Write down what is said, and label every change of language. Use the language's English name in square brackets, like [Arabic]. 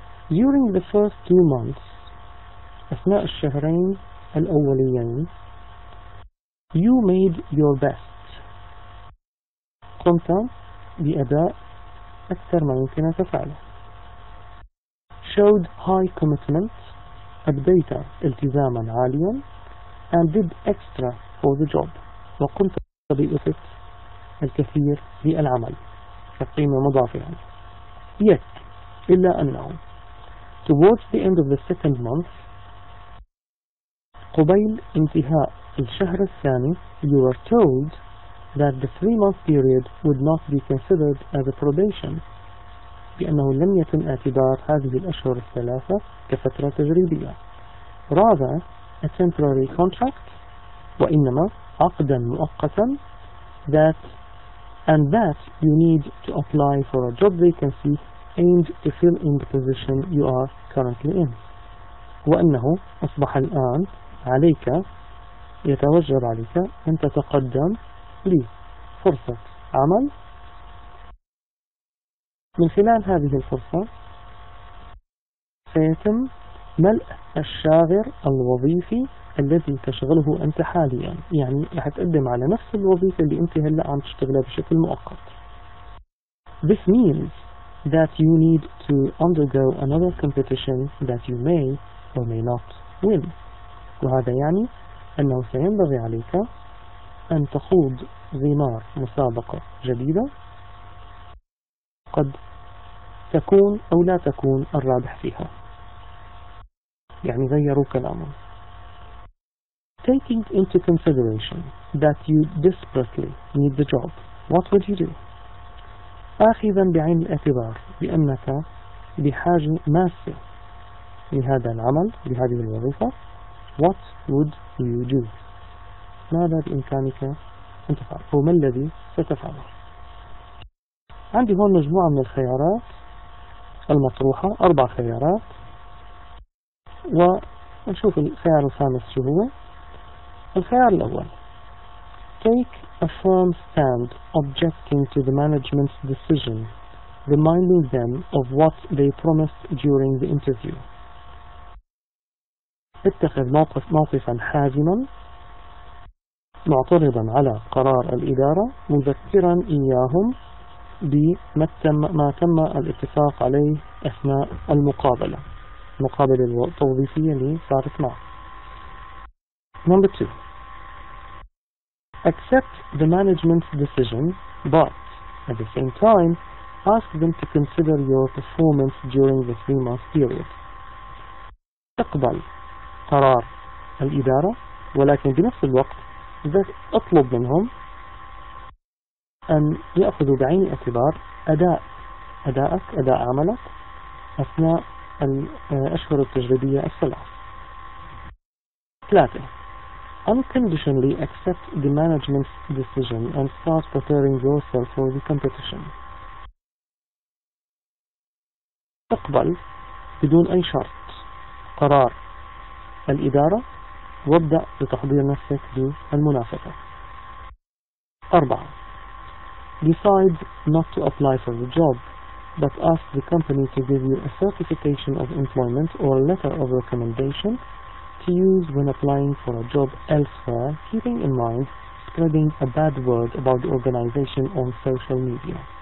[English] During the first 2 months [Arabic] أثناء الشهرين الأوليين [English] you made your best. [Arabic] قمت بأداء أكثر ما يمكنك فعله. [English] Showed high commitment. [Arabic] أديت التزاما عاليا. [English] And did extra for the job. [Arabic] وقمت بإفت الكثير للعمل. فقيمة مضافة. [English] Yet, [Arabic] إلا أنه [English] towards the end of the second month [Arabic] قبيل انتهاء الشهر الثاني [English] you were told that the 3 month period would not be considered as a probation [Arabic] بأنه لم يتم اعتبار هذه الأشهر الثلاثة كفترة تجريبية [English] rather a temporary contract [Arabic] وإنما عقدا مؤقتا [English] that you need to apply for a job vacancy aimed to fill in the position you are currently in. [Arabic] وأنه أصبح الآن عليك يتوجب عليك أن تتقدم لفرصة عمل. من خلال هذه الفرصة سيتم ملء الشاغر الوظيفي الذي تشغله أنت حاليا. يعني هتقدم على نفس الوظيفة اللي أنت هلا عم تشتغلها بشكل مؤقت. [English] This means that you need to undergo another competition that you may or may not win. [Arabic] وهذا يعني أنه سينبغي عليك أن تخوض غمار مسابقة جديدة قد تكون أو لا تكون الرابح فيها. يعني غيروا كلامه. [English] Taking into consideration that you desperately need the job, what would you do? [Arabic] آخذا بعين الاعتبار بأنك بحاجة ماسة لهذا العمل لهذه الوظيفة [English] what would you do؟ [Arabic] ماذا بإمكانك أن تفعل؟ وما الذي ستفعله؟ عندي هون مجموعة من الخيارات المطروحة 4 خيارات ونشوف الخيار الخامس شو هو. الخيار الأول [English] take a firm stand objecting to the management's decision reminding them of what they promised during the interview. [Arabic] اتخذ موقفا حازما معترضا على قرار الإدارة مذكرا إياهم بما تم الاتفاق عليه أثناء المقابلة المقابلة التوظيفية لصارت معه. [English] Number 2 accept the management's decision but at the same time ask them to consider your performance during the 3 month period. [Arabic] تقبل قرار الإدارة ولكن بنفس الوقت اطلب منهم أن يأخذوا بعين الاعتبار أداء عملك أثناء الأشهر التجريبية الثلاث. [English] 3 unconditionally accept the management's decision and start preparing yourself for the competition. [Arabic] تقبل بدون أي شرط قرار الإدارة وابدأ بتحضير نفسك للمنافسة. [English] 4 decide not to apply for the job but ask the company to give you a certification of employment or a letter of recommendation to use when applying for a job elsewhere keeping in mind spreading a bad word about the organization on social media.